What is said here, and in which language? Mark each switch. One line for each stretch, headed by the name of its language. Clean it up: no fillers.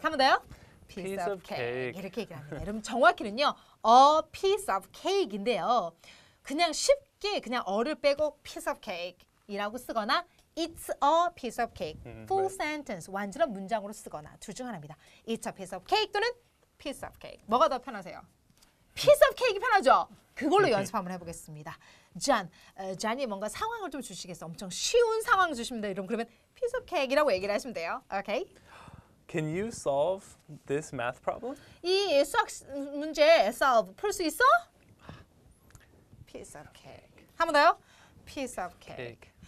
Korean: 한번 더요.
English: Piece of cake.
Korean: 이렇게 얘기를 합니다. 여러분 정확히는요. A piece of cake 인데요.
English: 그냥 쉽게 그냥 어를 빼고 piece of cake이라고 쓰거나 It's a piece of cake. Full sentence.
Korean: 완전한 문장으로 쓰거나 둘 중 하나입니다.
English: It's a piece of cake 또는 piece of cake.
Korean: 뭐가 더 편하세요? Piece of cake이 편하죠? 그걸로 연습 한번 해보겠습니다. 잔, 잔이 뭔가 상황을 좀 주시겠어요. 엄청 쉬운 상황 주십니다. 이러면 그러면 piece of cake이라고 얘기를 하시면 돼요. Okay?
English: Can you solve this math problem?
Korean: 이 수학 문제 solve 풀 수 있어? Piece of cake. 한 번 더요. Piece of cake. cake.